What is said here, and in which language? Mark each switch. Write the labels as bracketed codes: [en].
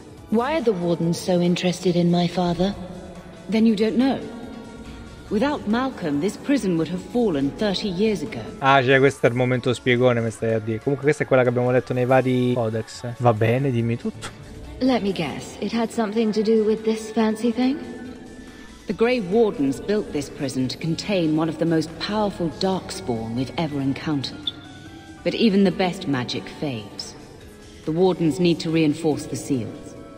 [en] Why are the Wardens so interested in my father? Then you don't know. Without Malcolm, this prison would have fallen 30 years ago. [it] Ah, cioè questo è il momento spiegone, mi stai a dire. Comunque questa è quella che abbiamo letto nei vari codex. Va bene, dimmi tutto. [en] Let me guess, it had something to do with this fancy thing? The Grey Wardens built this prison to contain one of the most powerful darkspawn we've ever encountered. But even the best magic fades. The Wardens need to reinforce the seals.